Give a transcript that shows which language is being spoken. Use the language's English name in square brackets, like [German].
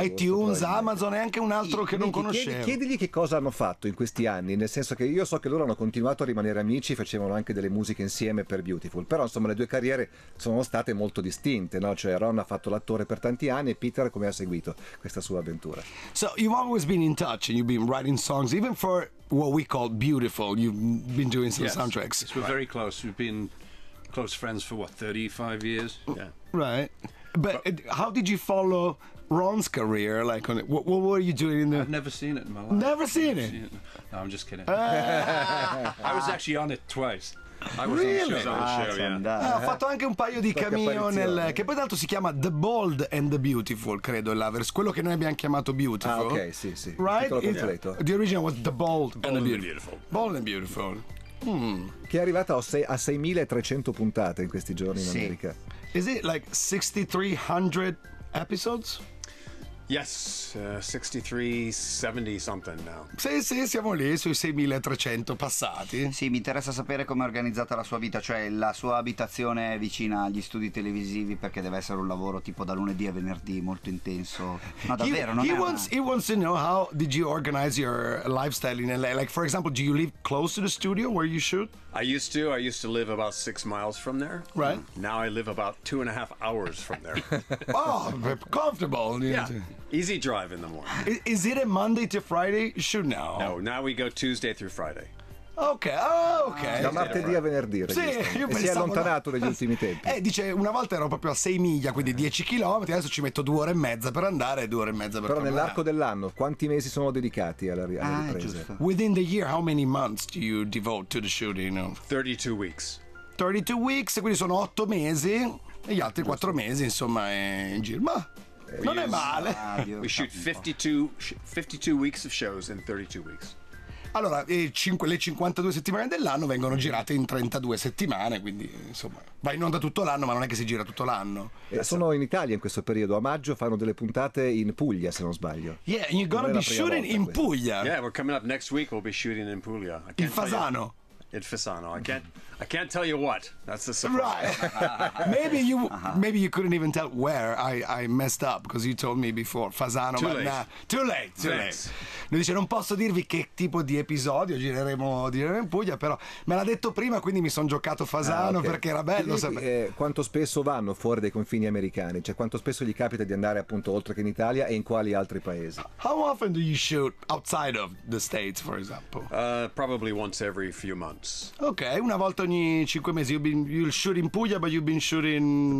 [Italian] iTunes, Amazon e anche un altro che non conoscevo. Chiedigli che cosa hanno fatto in questi anni, nel senso che io so che loro hanno continuato a rimanere amici, facevano anche delle musiche insieme per Beautiful, però insomma le due carriere sono state molto distinte, no? Cioè Ron ha fatto l'attore per tanti anni e Peter come ha seguito questa sua avventura. [English] So you've always been in touch and you've been writing songs even for what we call Beautiful. You've been doing some soundtracks. Yes, we're very close. We've been close friends for, what, 35 years? Yeah. Right. But how did you follow Ron's career? Like, what were you doing in the... I've never seen it in my life. Never seen it? No, I'm just kidding. I was actually on it twice. Really? [Italian] Ho fatto anche un paio di cameo nel che poi d'altro si chiama The Bold and the Beautiful, credo, Lovers, quello che noi abbiamo chiamato Beautiful. Ah, ok, sì, sì. [English] Right? [Italian] Il titolo completo. [English] The original was The Bold and the Beautiful. Bold and Beautiful. [Italian] Che è arrivata a 6300 puntate in questi giorni in America. [English] Is it like 6300 episodes? Yes, 6370 something now. [Italian] Sì, siamo lì sui 6300 passati. Sì, mi interessa sapere come è organizzata la sua vita, cioè la sua abitazione è vicina agli studi televisivi, perché deve essere un lavoro tipo da lunedì a venerdì molto intenso. Ma davvero [English] he wants to know how did you organize your lifestyle in LA? Like for example, do you live close to the studio where you shoot? I used to live about 6 miles from there. Right. Now I live about 2.5 hours from there. Oh, comfortable. Yeah. Easy drive in the morning. Is it a Monday to Friday shoot now? No, now we go Tuesday through Friday. Okay, oh, okay. [Italian] Da martedì a venerdì. Sì, io si è allontanato negli ultimi tempi. Dice, una volta ero proprio a 6 miglia, quindi 10 km, adesso ci metto 2 ore e mezza per andare e 2 ore e mezza per tornare. Però nell'arco dell'anno, quanti mesi sono dedicati alla riprese? Giusto. [English] Within the year, how many months do you devote to the shooting? 32 weeks. 32 weeks, [Italian] quindi sono 8 mesi, e gli altri 4 mesi, insomma, è in giro. Ma... non è male. [English] We shoot 52 weeks of shows in 32 weeks. [Italian] Allora, le 52 settimane dell'anno vengono girate in 32 settimane, quindi insomma, va in onda tutto l'anno, ma non è che si gira tutto l'anno. Sono in Italia in questo periodo, a maggio fanno delle puntate in Puglia, se non sbaglio. [English] Yeah, and you're gonna be shooting in Puglia. Yeah, we're coming up next week, we'll be shooting in Puglia. [Italian] Il Fasano. [English] In Fasano, I can't tell you what. That's a surprise. Right. maybe you couldn't even tell where I messed up because you told me before Fasano. Too late. Nah, too late. Too late. Late. [Italian] Lui dice non posso dirvi che tipo di episodio gireremo in Puglia, però me l'ha detto prima, quindi mi sono giocato Fasano perché era bello. Quanto spesso vanno fuori dai confini americani? Cioè quanto spesso gli capita di andare appunto oltre che in Italia e in quali altri paesi? [English] How often do you shoot outside of the States, for example? Probably once every few months. [Italian] Ok, una volta ogni 5 mesi. [English] You'll shoot in Puglia, but you've been shooting...